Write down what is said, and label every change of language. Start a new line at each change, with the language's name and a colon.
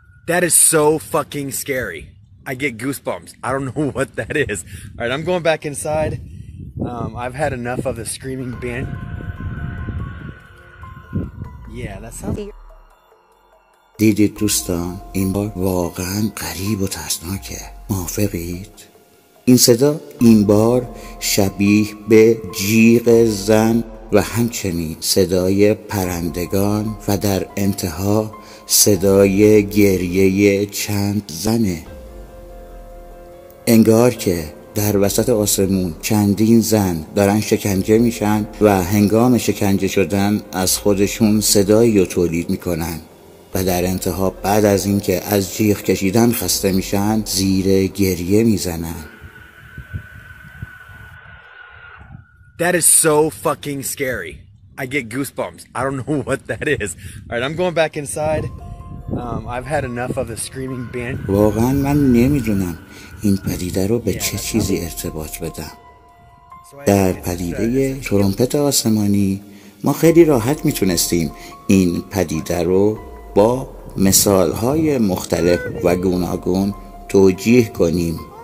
English: That is so fucking scary. I get goosebumps. I don't know what that is. All right, I'm going back inside. I've had enough of the screaming band.
Persian: دیدید دوستان، این بار واقعا غریب و ترسناکه. موافقید؟ این صدا این بار شبیه به جیغ زن و همچنین صدای پرندگان و در انتها صدای گریه چند زنه. انگار که در وسط آسمون چندین زن دارن شکنجه میشن و هنگام شکنجه شدن از خودشون صدایی رو تولید میکنن و در انتها بعد از اینکه از جیغ کشیدن خسته میشن زیر گریه میزنن.
English: That is so fucking scary. I get goosebumps. I don't know what that is. All right, I'm going back inside. I've had enough of the screaming band.
Persian: واقعا من نمیدونم این پدیده رو به چه چیزی ارتباط بدم. در پدیده ترومپت آسمانی ما خیلی راحت میتونستیم این پدیده رو با مثالهای مختلف و گوناگون توجیه کنیم،